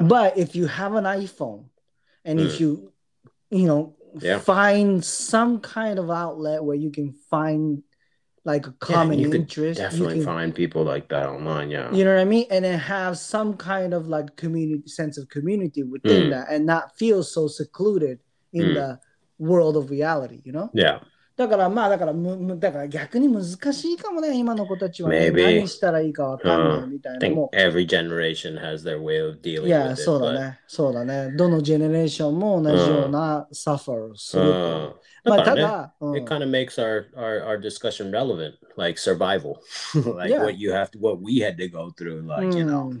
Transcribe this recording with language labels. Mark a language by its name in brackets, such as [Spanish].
[English] But if you have an iPhone, and if you find some kind of outlet where you can find like a common interest, you can find people like that online. Yeah, you know what I mean. And then have some kind of like community sense of community within that, and not feel so secluded in the world of reality. You know. Yeah. [Japanese] だからまあだから逆に難しいかもね、今の子たちは、ね、 [English] Maybe. [Japanese] 何したらいいかわかんないみたいな。 [English] もう every generation has their way of dealing with it. [Japanese] Yeah, そうだね、そうだね。どのジェネレーションも同じような suffer する。 [English] まあただ、it kind of makes our discussion relevant, like survival, like what we had to go through, like you know,